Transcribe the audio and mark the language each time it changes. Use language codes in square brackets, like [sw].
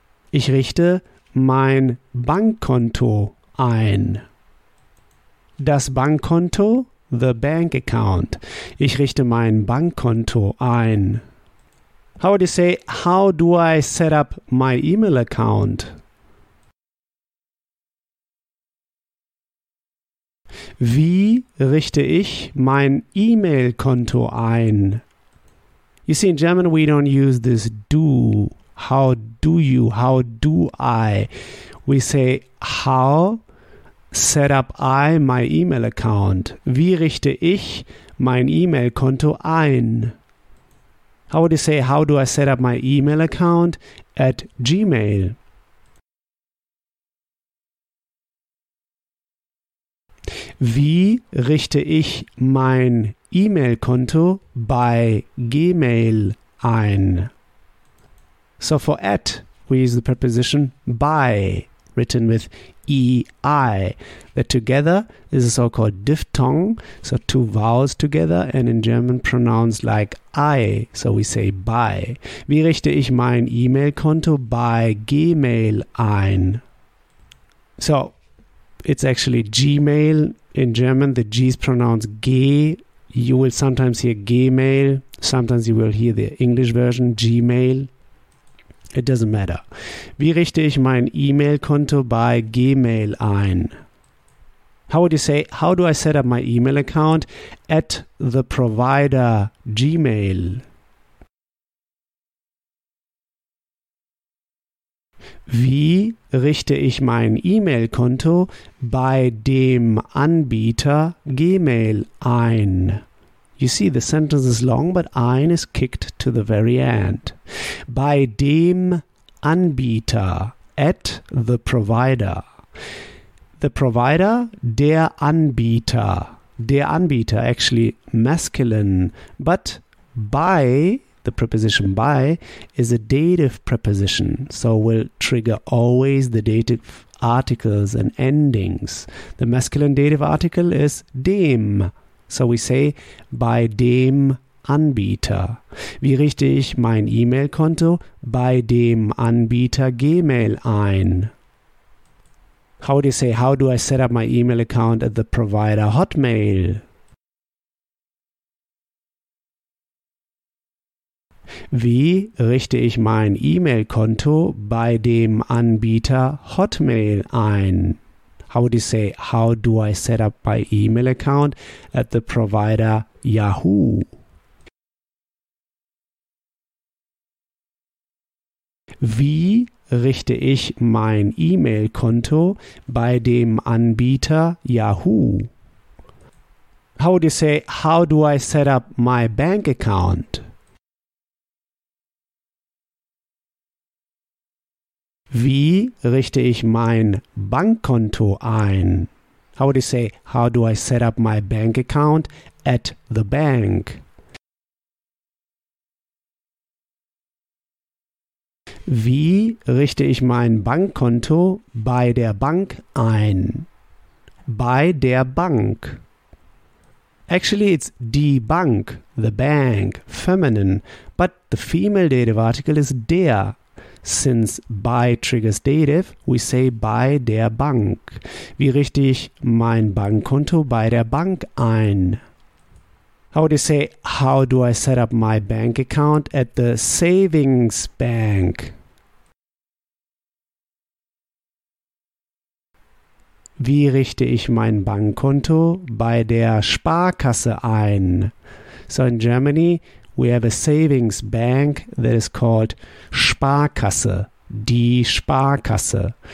[de] Ich richte mein Bankkonto ein. Das Bankkonto, [en] the bank account. [de] Ich richte mein Bankkonto ein. [en] How would you say, how do I set up my email account? [de] Wie richte ich mein E-Mail-Konto ein? [en] You see, in German we don't use this do. How do you? How do I? We say, how set up I my email account? [de] Wie richte ich mein E-Mail-Konto ein? [en] How would you say, how do I set up my email account at Gmail? [de] Wie richte ich mein E-Mail-Konto bei Gmail ein? [en] So for at, we use the preposition by, written with E-I. The together is a so-called diphthong, so two vowels together, and in German pronounced like I, so we say by. [de] Wie richte ich mein E-Mail-Konto bei Gmail ein? [en] So, it's actually Gmail. In German, the G is pronounced G. You will sometimes hear Gmail. Sometimes you will hear the English version, Gmail. It doesn't matter. [de] Wie richte ich mein E-Mail-Konto bei Gmail ein? [en] How would you say, how do I set up my email account at the provider Gmail? [de] Wie richte ich mein E-Mail-Konto bei dem Anbieter Gmail ein? [en] You see, the sentence is long, but ein is kicked to the very end. [de] Bei dem Anbieter, [en] at the provider. The provider, [de] der Anbieter. Der Anbieter, [en] actually masculine. But bei, the preposition by, is a dative preposition, so will trigger always the dative articles and endings. The masculine dative article is dem. So we say, [de] bei dem Anbieter. Wie richte ich mein E-Mail-Konto bei dem Anbieter Gmail ein? [en] How do you say, how do I set up my email account at the provider Hotmail? [de] Wie richte ich mein E-Mail-Konto bei dem Anbieter Hotmail ein? [en] How would you say, how do I set up my email account at the provider Yahoo? [de] Wie richte ich mein E-Mail-Konto bei dem Anbieter Yahoo? [en] How would you say, how do I set up my bank account? [de] Wie richte ich mein Bankkonto ein? [en] How would you say, how do I set up my bank account at the bank? [de] Wie richte ich mein Bankkonto bei der Bank ein? Bei der Bank. [en] Actually, it's debunk, the bank, feminine, but the female dative article is der. Since by triggers dative, we say by [de] der Bank. Wie richte ich mein Bankkonto bei der Bank ein? [en] How would you say, how do I set up my bank account at the savings bank? [de] Wie richte ich mein Bankkonto bei der Sparkasse ein? [en] So in Germany, we have a savings bank that is called Sparkasse, die Sparkasse.